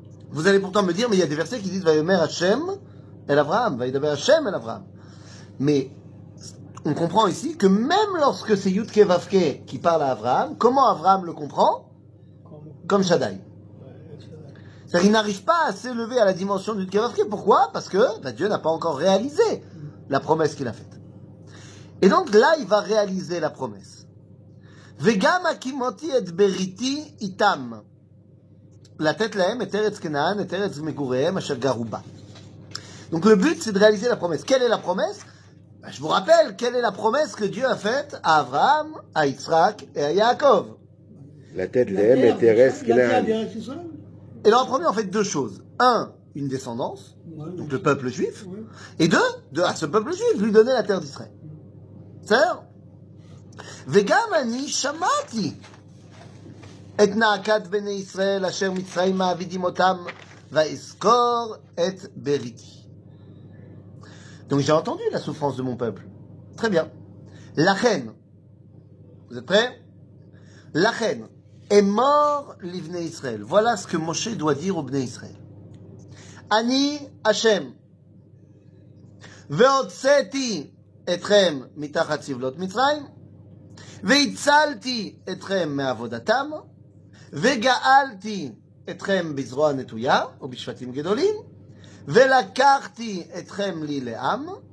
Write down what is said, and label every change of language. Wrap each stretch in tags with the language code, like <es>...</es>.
<fr>Vous allez pourtant me dire, mais il y a des versets qui disent «</fr> <he>Vayomer Hachem El Avraham</he> <fr>»« Vayomer Hachem El Avraham » Mais on comprend ici que même lorsque c'est Yudke Vavke qui parle à Avraham, comment Avraham le comprend? Comme Shaddai. C'est-à-dire qu'il n'arrive pas à s'élever à la dimension de Yudke Vavke. Pourquoi? Parce que Dieu n'a pas encore réalisé la promesse qu'il a faite. Et donc là, il va réaliser la promesse.</fr> <he>« Vegam akimoti et beriti itam » לתת להם את ארץ כנען, את ארץ מגוריהם, אשר גרו בה.</he> <fr>Donc le but, c'est de réaliser la promesse. Quelle est la promesse? Ben, je vous rappelle, quelle est la promesse que Dieu a faite à Abraham, à Yitzhak et à Yaakov?</fr> <he>לתת להם את ארץ כנען.</he> <fr>Et leur a promis, en fait, deux choses. Un, une descendance, donc le peuple juif. Et deux, à ce peuple juif, lui donner la terre d'Israël. C'est-à-dire?</fr> <he>וגם אני שמעתי. את נעקת בני ישראל אשר מצרים מעבידים אותם ואזכור את בריתי.</he> <fr>Donc j'ai entendu la souffrance de mon peuple. Très bien.</fr> <he>לכן,</he> <fr>vous êtes prêts?</fr> <he>לכן, אמור לבני ישראל.</he> <fr>Voilà ce que Moshe doit dire aux בני ישראל.</fr> <he>אני השם והוצאתי אתכם מתחת סבלות מצרים והצלתי אתכם מעבודתם וגאלתי אתכם בזרוע נטויה ובשפטים גדולים ולקחתי אתכם לי לעם</he>